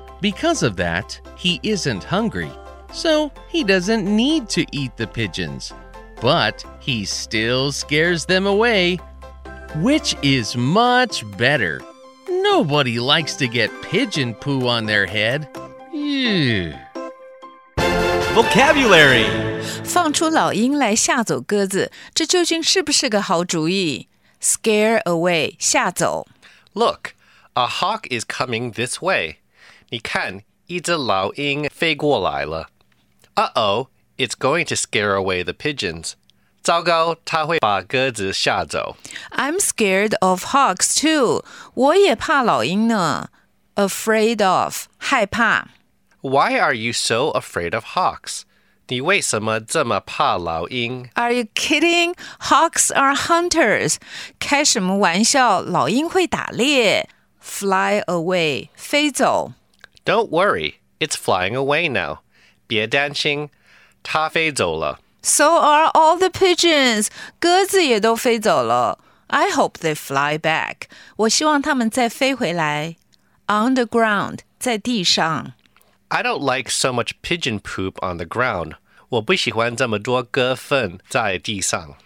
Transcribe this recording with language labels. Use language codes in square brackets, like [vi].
[en] Because of that, he isn't hungry, so he doesn't need to eat the pigeons. But he still scares them away, which is much better. Nobody likes to get pigeon poo on their head. Eww. Vocabulary. [zh] 放出老鹰来吓走鸽子，这究竟是不是个好主意？ [en] Scare away, [zh] 吓走。 [en] Look, a hawk is coming this way. [zh] 你看，一只老鹰飞过来了。 [en] Uh-oh, it's going to scare away the pigeons. [zh] 糟糕，他会把鸽子吓走。 [en] I'm scared of hawks too. [zh] 我也怕老鹰呢。 [en] Afraid of, [zh] 害怕。 [en] Why are you so afraid of hawks? [zh] 你为什么这么怕老鹰？ [en] Are you kidding? Hawks are hunters. [zh] 开什么玩笑，老鹰会打猎。 [en] Fly away, [zh] 飞走。 [en] Don't worry, it's flying away now. [zh] 别担心，它飞走了。 [en] So are all the pigeons. [zh] 鸽子也都飞走了。 [en] I hope they fly back. [zh] 我希望他们再飞回来。 [en] On the ground, [zh] 在地上。 [en] I don't like so much pigeon poop on the ground. [zh] 我不喜欢这么多鸽粪在地上。